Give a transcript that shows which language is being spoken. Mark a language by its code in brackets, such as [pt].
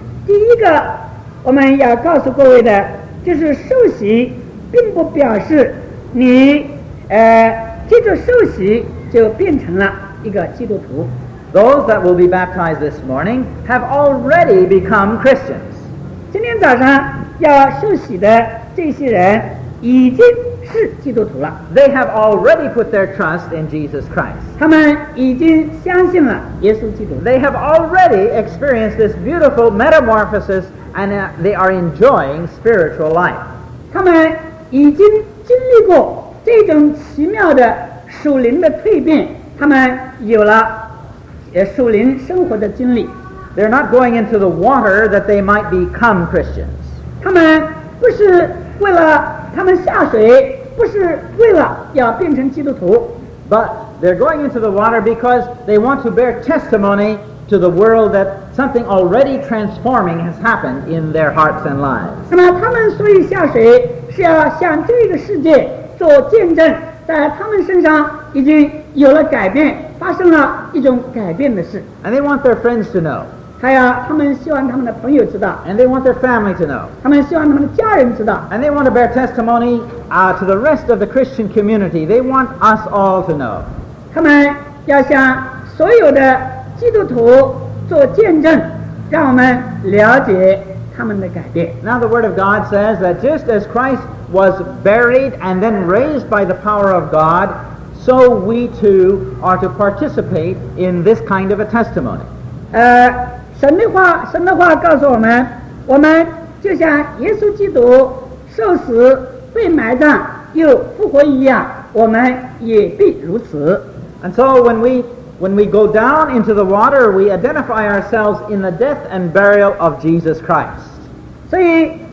[zh] 第一个我们要告诉各位的就是受洗并不表示你接着受洗就变成了一个基督徒。 [en] Those that will be baptized this morning have already become Christians. [zh] 今天早上要受洗的这些人已经是基督徒了。 [en] They have already put their trust in Jesus Christ. [zh] 他们已经相信了耶稣基督。 [en] They have already experienced this beautiful metamorphosis and they are enjoying spiritual life. [zh] 他们已经经历过这种奇妙的属灵的蜕变，他们有了属灵生活的经历。 [en] They're not going into the water that they might become Christians. [zh] 他们不是为了他们下水不是为了要变成基督徒。 [en] But they're going into the water because they want to bear testimony to the world that something already transforming has happened in their hearts and lives. [zh] 那么他们所以下水是要向这个世界做见证，在他们身上已经有了改变，发生了一种改变的事。 [en] And they want their friends to know. [zh] 还有他们希望他们的朋友知道。 [en] And they want their family to know. [zh] 他们希望他们的家人知道。 [en] And they want to bear testimony, to the rest of the Christian community. They want us all to know. [zh] 他们要向所有的基督徒做见证，让我们了解 [en] Now the word of God says that just as Christ was buried and then raised by the power of God, so we too are to participate in this kind of a testimony. [zh] 神的话告诉我们，我们就像耶稣基督受死、被埋葬又复活一样，我们也必如此。 [en] And so when we go down into the water, we identify ourselves in the death and burial of Jesus Christ.